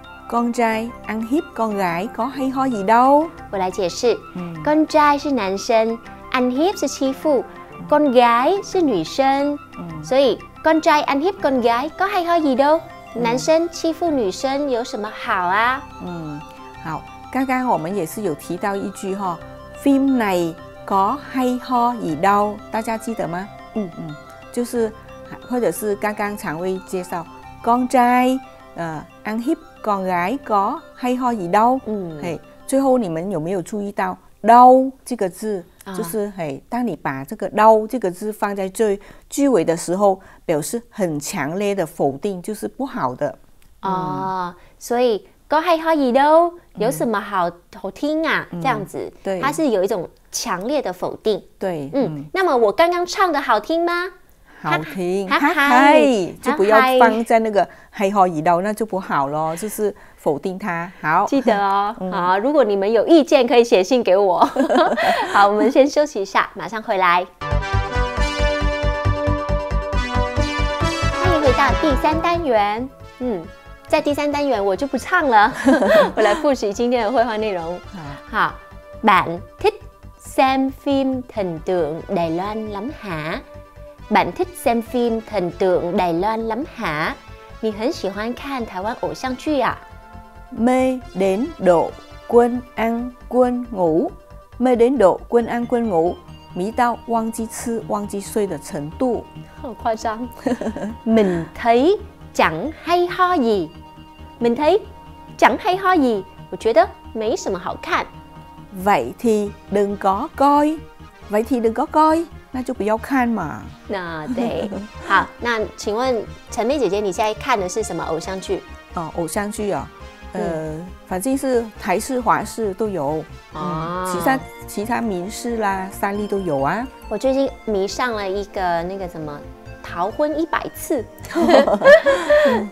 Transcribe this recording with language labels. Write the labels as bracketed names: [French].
[Vietnamese] con trai ăn hiếp con gái có hay ho gì đâu。 [Chinese] 我来解释、 [Vietnamese] con trai 是男生， ăn hiếp 是欺负、con gái 是女生、所以 con trai ăn hiếp con gái có hay ho gì đâu、 [Chinese] 男生欺负女生有什么好啊。好，刚刚我们也是有提到一句哈， [Vietnamese] film này có hay ho gì đâu， [Chinese] 大家记得吗？就是或者是刚刚常威介绍 [Vietnamese] con trai ăn hiếpcon gái có hay ho gì đâu。 [Chinese] 最后你们有没有注意到đâu这个字、就是当你把这个đâu这个字放在最句尾的时候，表示很强烈的否定，就是不好的、所以 [Vietnamese] có hay ho gì đâu [Chinese] 有什么好好听啊、这样子。对，它是有一种强烈的否定。对、那么我刚刚唱的好听吗？好听，嗨，就不要放在那个嗨哈一刀，那就不好咯，就是否定它。好，记得哦。好，如果你们有意见可以写信给我。好，我们先休息一下，马上回来。欢迎回到第三单元。在第三单元我就不唱了。我来复习今天的绘画内容。 [Vietnamese] 好，bạn thích xem phim thần tượng Đài Loan lắm hả？ Bạn thích xem phim thần tượng Đài Loan lắm hả？ [Chinese] 你很喜欢看台湾偶像剧啊？ [Vietnamese] Mê đến độ quên ăn quên ngủ， Mê đến độ quên ăn quên ngủ， [Chinese] 迷到忘记吃忘记睡的程度。好夸张。 [Vietnamese] Mình thấy chẳng hay ho gì， Mình thấy chẳng hay ho gì， [Chinese] 我觉得没什么好看。 [Vietnamese] Vậy thì đừng có coi， Vậy thì đừng có coi， [Chinese] 那就不要看嘛。那对。好，那请问陈妹姐姐，你现在看的是什么偶像剧？哦，偶像剧啊，反正是台视、华视都有。其他民视啦、三立都有啊。我最近迷上了一个那个什么《逃婚一百次》。